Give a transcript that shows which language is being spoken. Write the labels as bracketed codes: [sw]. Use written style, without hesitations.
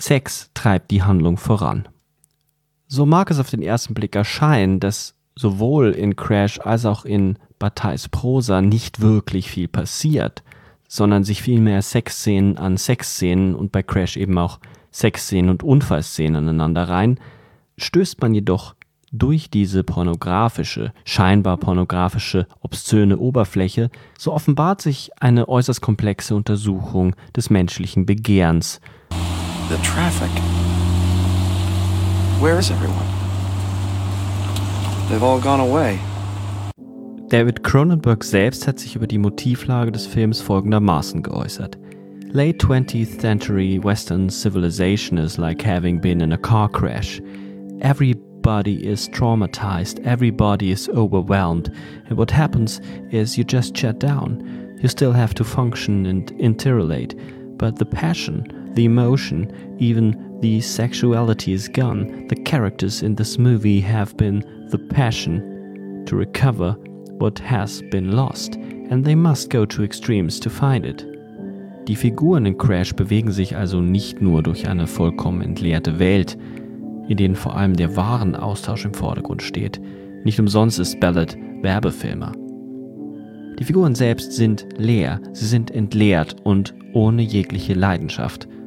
[de] Sex treibt die Handlung voran. So mag es auf den ersten Blick erscheinen, dass sowohl in Crash als auch in Batailles Prosa nicht wirklich viel passiert, sondern sich vielmehr Sexszenen an Sexszenen und bei Crash eben auch Sexszenen und Unfallszenen aneinander rein, stößt man jedoch durch diese pornografische, scheinbar pornografische, obszöne Oberfläche, so offenbart sich eine äußerst komplexe Untersuchung des menschlichen Begehrens. [en] The traffic. Where is everyone? They've all gone away. [de] David Cronenberg selbst hat sich über die Motivlage des Films folgendermaßen geäußert. [en] Late 20th century Western civilization is like having been in a car crash. Everybody is traumatized, everybody is overwhelmed. And what happens is you just shut down. You still have to function and interrelate. But the passion, the emotion, even the sexuality is gone. The characters in this movie have been the passion to recover what has been lost. And they must go to extremes to find it. [de] Die Figuren in Crash bewegen sich also nicht nur durch eine vollkommen entleerte Welt, in denen vor allem der Warenaustausch im Vordergrund steht. Nicht umsonst ist Ballard Werbefilmer. Die Figuren selbst sind leer, sie sind entleert und ohne jegliche Leidenschaft.